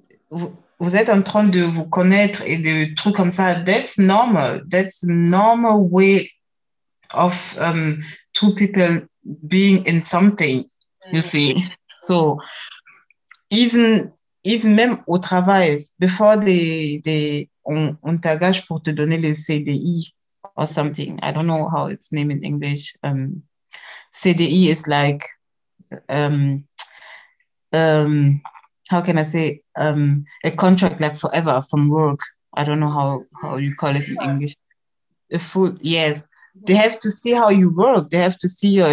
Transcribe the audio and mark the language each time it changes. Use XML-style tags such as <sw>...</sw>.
<fr>Vous êtes en train de vous connaître et des trucs comme ça.</fr> <en>That's normal. That's normal way of two people being in something. You see. So even</en> <fr>même au travail,</fr> <en>before</en> <fr>on t'engage pour te donner le CDI</fr> <en>or something. I don't know how it's named in English. CDI is like, how can I say, a contract like forever from work. I don't know how you call it in English. A full, yes. They have to see how you work. They have to see your</en>